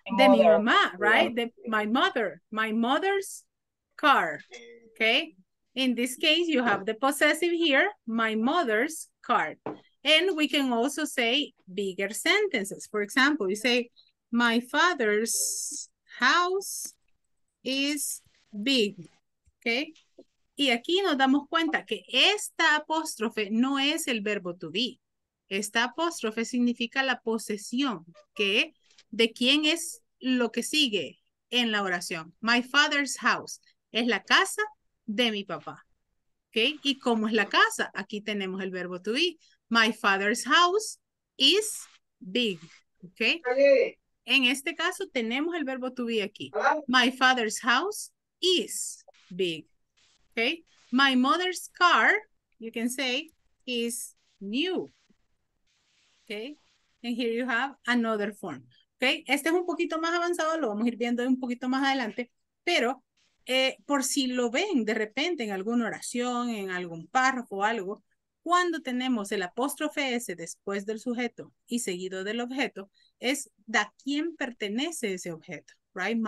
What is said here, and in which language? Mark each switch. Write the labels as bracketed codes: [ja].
[es] De mi mamá, [en] right? De my mother. My mother's car. Okay? In this case, you have the possessive here, my mother's car. And we can also say bigger sentences. For example, you say, my father's house is big. Okay? [es] Y aquí nos damos cuenta que esta apóstrofe no es el verbo to be. Esta apóstrofe significa la posesión, que ¿de quién es lo que sigue en la oración? [en] My father's house. [es] Es la casa de mi papá. ¿Okay? ¿Y cómo es la casa? Aquí tenemos el verbo to be. [en] My father's house is big. [es] ¿Okay? En este caso tenemos el verbo to be aquí. [en] My father's house is big. ¿Okay? My mother's car, you can say, is new. ¿Okay? And here you have another form. Okay. [es] Este es un poquito más avanzado, lo vamos a ir viendo un poquito más adelante, pero por si lo ven de repente en alguna oración, en algún párrafo o algo, cuando tenemos el apóstrofe S después del sujeto y seguido del objeto, es de quién pertenece ese objeto, right?